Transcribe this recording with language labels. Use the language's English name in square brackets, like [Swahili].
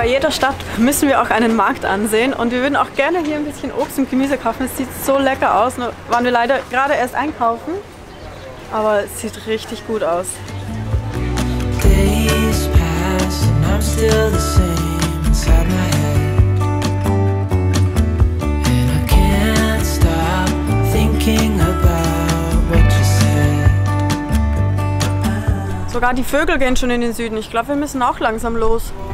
[German] Stadt müssen wir auch einen Markt ansehen und wir würden auch gerne hier ein bisschen Obst und Gemüse kaufen. Es sieht so lecker aus, nur waren wir leider gerade erst einkaufen, aber es sieht richtig gut aus. [English] Days pass and I'm still the same inside my head. And I can't stop thinking about what you said. [German] Sogar die Vögel gehen schon in den Süden. Ich glaube, wir müssen auch langsam los.